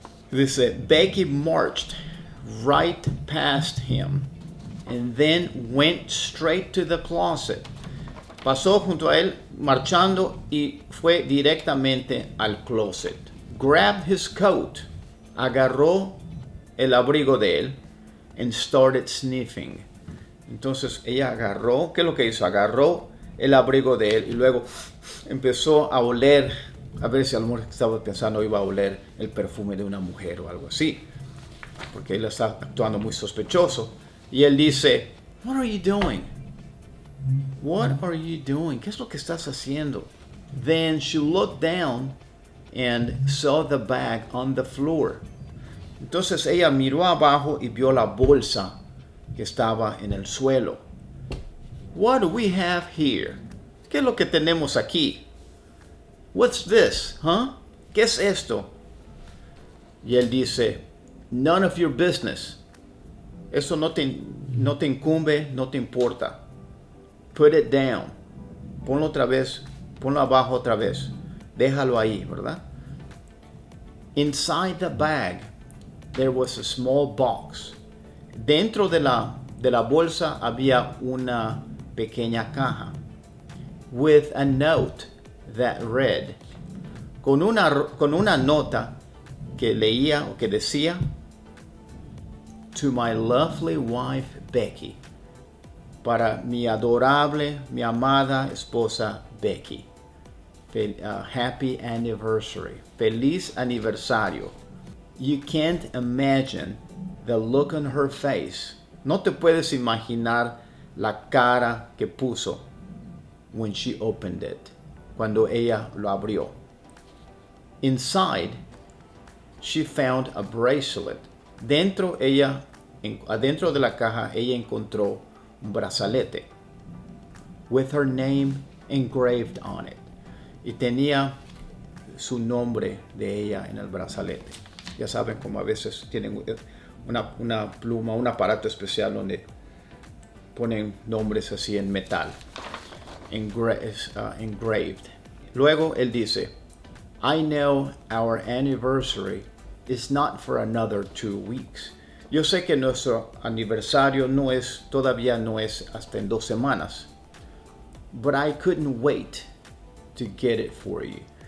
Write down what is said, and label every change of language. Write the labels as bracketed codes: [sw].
[en] Dice, Becky marched right past him and then went straight to the closet. [es] Pasó junto a él marchando y fue directamente al closet. [en] Grabbed his coat. [es] Agarró el abrigo de él [en] and started sniffing. [es] Entonces ella agarró, ¿qué es lo que hizo? Agarró el abrigo de él y luego empezó a oler, a ver si a lo mejor estaba pensando iba a oler el perfume de una mujer o algo así, porque él está actuando muy sospechoso. Y él dice, [en] what are you doing? What are you doing? [es] ¿Qué es lo que estás haciendo? [en] Then she looked down and saw the bag on the floor. [es] Entonces ella miró abajo y vio la bolsa que estaba en el suelo. [en] What do we have here? [es] ¿Qué es lo que tenemos aquí? [en] What's this, huh? [es] ¿Qué es esto? Y él dice, [en] none of your business. [es] Eso no te incumbe, no te importa. [en] Put it down. [es] Ponlo otra vez, ponlo abajo otra vez. Déjalo ahí, ¿verdad? [en] Inside the bag, there was a small box. [es] Dentro de la bolsa había una pequeña caja. [en] With a note that read. [es] Con una nota que leía o que decía. [en] To my lovely wife, Becky. [es] Para mi adorable, mi amada esposa, Becky. [en] Happy anniversary. [es] Feliz aniversario. [en] You can't imagine the look on her face. [es] No te puedes imaginar la cara que puso. [en] When she opened it. [es] Cuando ella lo abrió. [en] Inside, she found a bracelet. [es] Adentro de la caja, ella encontró un brazalete. [en] With her name engraved on it. [es] Y tenía su nombre de ella en el brazalete. Ya saben cómo a veces tienen una pluma, un aparato especial donde ponen nombres así en metal. Engraved. Luego él dice, [en] I know our anniversary is not for another 2 weeks. [es] Yo sé que nuestro aniversario no es hasta en 2 semanas. [en] But I couldn't wait to get it for you.